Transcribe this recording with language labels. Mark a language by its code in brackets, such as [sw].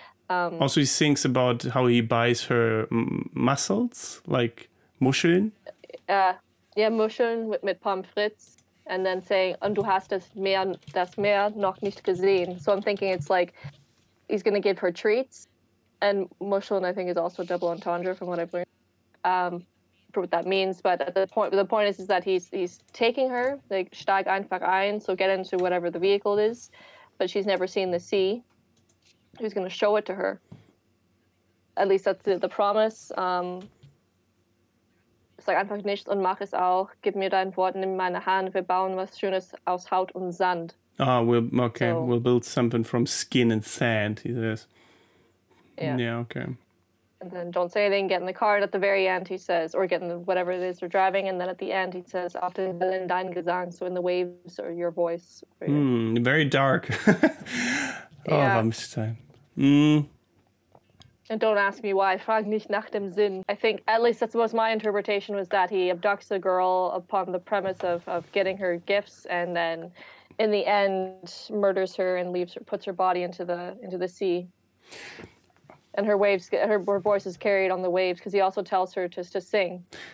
[en] Also he thinks about how he buys her mussels, like Muscheln. [de] Muscheln mit Pommes frites. [en] And then saying, [de] und du hast das Meer noch nicht gesehen. [en] So I'm thinking it's like he's going to give her treats. And Muscheln, I think, is also double entendre from what I've learned, for what that means. But the point is that he's taking her, like, [de] steig einfach ein, [en] so get into whatever the vehicle is. But she's never seen the sea. He's going to show it to her. At least that's the promise. [de] Sag einfach nichts und mach es auch. Gib mir dein Wort, nimm meine Hand. Wir bauen was Schönes aus Haut und Sand. [en] We'll build something from skin and sand, he says. And then don't say anything, get in the car, and at the very end he says, or get in whatever it is you're driving, and then at the end he says, [de] auf den Wellen dein Gesang, [en] so in the waves or your voice. Very dark. Oh, Rammstein. And don't ask me why, [de] frag nicht nach dem Sinn. [en] I think, at least that was my interpretation, was that he abducts a girl upon the premise of getting her gifts, and then in the end murders her and puts her body into the sea. And her waves, her voice is carried on the waves, because he also tells her to sing.